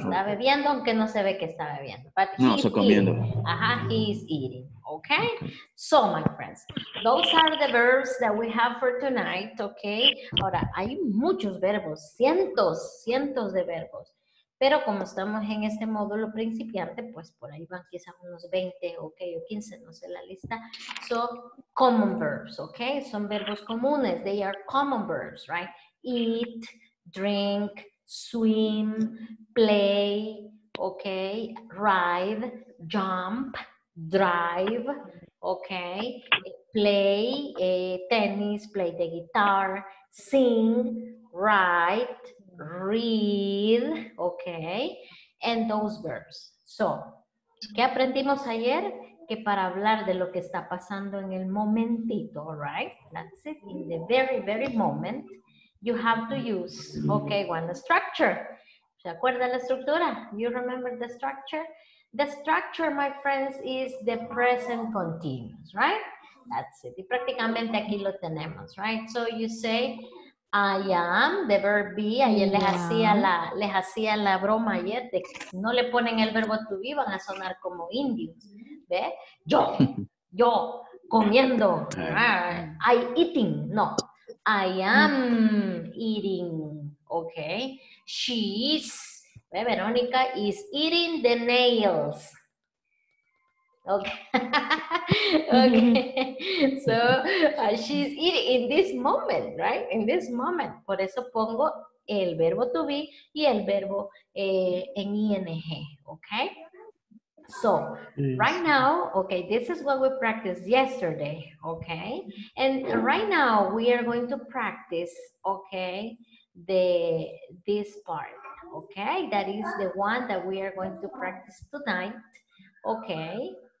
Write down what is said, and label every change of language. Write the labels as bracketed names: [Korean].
[Spanish] Está bebiendo, aunque no se ve que está bebiendo. [English] But [Spanish] no, está comiendo. [English] Ajá, he is eating. Okay? So, my friends, those are the verbs that we have for tonight, okay? [Spanish] Ahora, hay muchos verbos, cientos de verbos. Pero como estamos en este módulo principiante, pues por ahí van quizás unos 20, okay, o 15, no sé la lista. [English] So, common verbs, okay? [Spanish] Son verbos comunes. [English] They are common verbs, right? Eat, drink, swim, play, okay? Ride, jump, drive, okay? Play, tennis, play the guitar, sing, write, read, okay, and those verbs. [Spanish] So, ¿qué aprendimos ayer? Que para hablar de lo que está pasando en el momentito, right? [English] That's it, in the very, very moment, you have to use, okay, one structure. [Spanish] ¿Se acuerda la estructura? [English] You remember the structure? The structure, my friends, is the present continuous, right? That's it, [Spanish] y prácticamente aquí lo tenemos, [English] right? So you say, I am, the verb be. [Spanish] Ayer les hacía la broma ayer de que si no le ponen el verbo to be van a sonar como indios. ¿Ve? Yo, comiendo. [English] I eating. No. I am eating. Okay. She is. ¿Ve? Verónica is eating the nails. Okay, so she's eating in this moment, right? In this moment. [Spanish] Por eso pongo el verbo to be y el verbo en ing, okay? [English] So, right now, okay, this is what we practiced yesterday, okay? And right now, we are going to practice, okay, this part, okay? That is the one that we are going to practice tonight, okay?